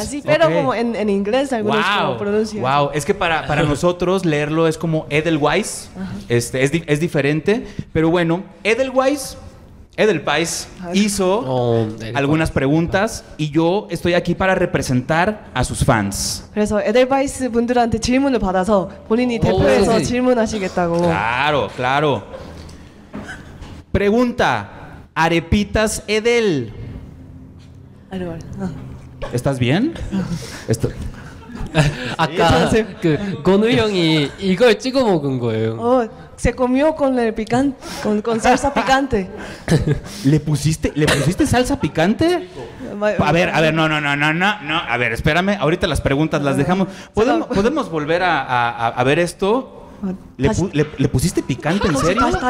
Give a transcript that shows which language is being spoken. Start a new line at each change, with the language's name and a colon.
Spanish: Así, pero okay. Como en inglés algunos wow. Pronuncian. Wow, es que para nosotros leerlo es como Edelweiss. Uh-huh. Es diferente. Pero bueno, Edelweiss uh-huh. Hizo Edelweiss. Algunas preguntas y yo estoy aquí para representar a sus fans.
Korean: 그래서 Edelweiss 분들한테 질문을 받아서 본인이 대표해서 질문하시겠다고.
Spanish: Claro. Pregunta. Arepitas Edel. Arepas. ¿Estás bien?
Korean: 아까 그 건우 형이 이걸 찍어 먹은 거예요.
Spanish: 어, se comió con el picante, con salsa picante. ¿Le pusiste salsa picante? A ver, no. A ver, espérame. Ahorita las preguntas las dejamos. ¿Podemos volver a ver esto? ¿Le pusiste picante en serio?